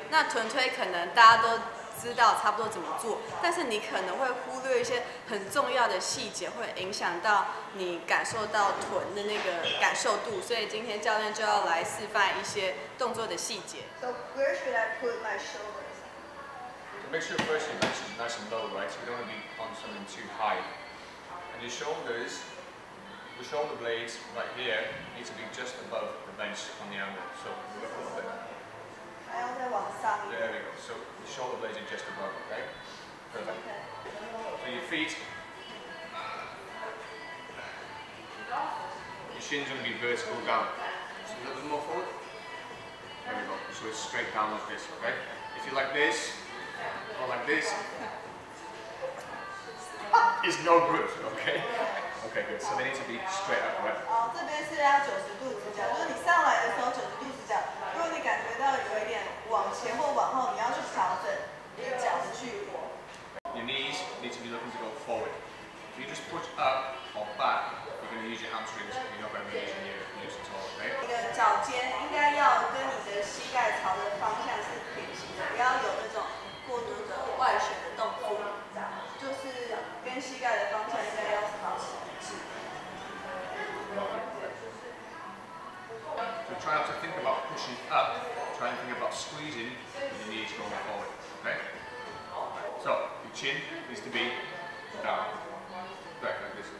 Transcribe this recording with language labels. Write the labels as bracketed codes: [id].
[zh] 那臀推可能大家都知道差不多怎么做，但是你可能会忽略一些很重要的细节，会影响到你感受到臀的那个感受度。所以今天教练就要来示范一些动作的细节。 [en] So where should I put my shoulders? Make sure first you're nice and low, right? We don't want to be on something too high. And your shoulders. The shoulder blades right here need to be just above the bench on the angle. So, move up a little bit. There we go. So, the shoulder blades are just above, okay? Perfect. So, your feet. Your shin's going to be vertical down. So, a little bit more forward. There we go. So, it's straight down like this, okay? If you're like this, or like this, it's no good, okay? Okay, good. So they need to be straight up, right? [zh] 这边是要九十度直角，就是你上来的时候九十度直角。如果你感觉到有一点往前或往后，你要去调整一个角的距离。 [en] Your knees need to be looking to go forward. If you just push up or back, you're going to use your hamstrings. You're not going to be using your glutes at all, right? [zh] 你的脚尖应该要跟你的膝盖朝的方向是平行的，不要有那种过度的外旋的动作。就是跟膝盖的方向应该要朝起。 [en] So try not to think about pushing up, try and think about squeezing with your knees going forward, okay? So, your chin needs to be down, right, like this.